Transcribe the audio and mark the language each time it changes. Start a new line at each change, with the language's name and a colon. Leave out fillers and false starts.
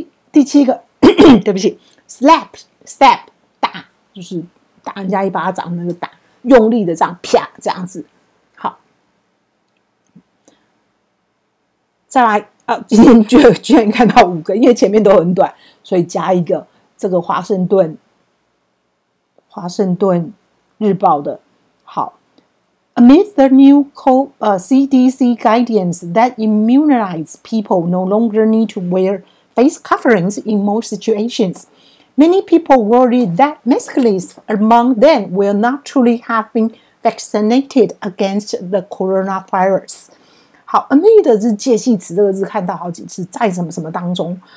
Chinese: 第七个对不起 slap 打，就是打人家一巴掌那个打，用力的这样啪这样子。好，再来啊，今天居然看到五个，因为前面都很短，所以加一个这个华盛顿日报的。
English: 好， Amid the new CDC guidance that immunized people no longer need to wear face coverings in most situations, many people worry that masculines among them will not truly have been vaccinated against the coronavirus.
Chinese: 好， Amid 是介系词，这个字看到好几次，在什么什么当中。